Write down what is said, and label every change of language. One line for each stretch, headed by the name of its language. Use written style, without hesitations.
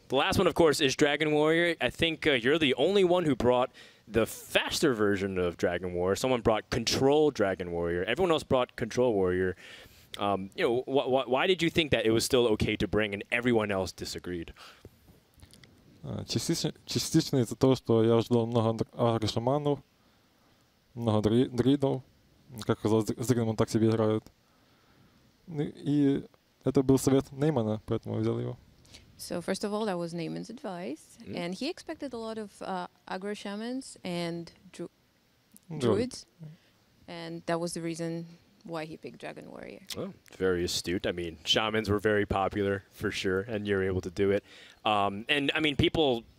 English: The last one, of course, is Dragon Warrior. I think you're the only one who brought the faster version of Dragon Warrior. Someone brought Control Dragon Warrior. Everyone else brought Control Warrior. You know, why did you think that it was still okay to bring and everyone else disagreed?
Russian: Частично из-за того, что я ждал много агрошаманов. Много дридов, как казалось, с дридом он так себе играет. И это был совет Неймана, поэтому я взял его.
English: So, first of all, that was Neyman's advice. Mm-hmm. And he expected a lot of aggro shamans and druids. And that was the reason why he picked Dragon Warrior. Oh, very astute. I mean, shamans were very popular, for sure, and you were able to do it. And, I mean, people...